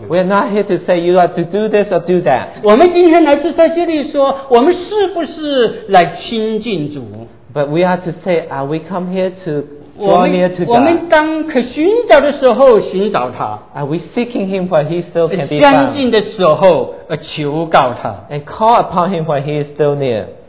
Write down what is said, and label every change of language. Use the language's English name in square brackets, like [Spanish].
[English] we are not here to say you are to do this or do that. [Chinese] 我们今天来自在这里说我们是不是来亲近主, [English] but we are to say, are we come here to [Chinese] 我们当可寻找的时候寻找他, [English] are we seeking him while he still can be found? [Chinese] 相近的时候求告他, [English] and call upon him while he is still near.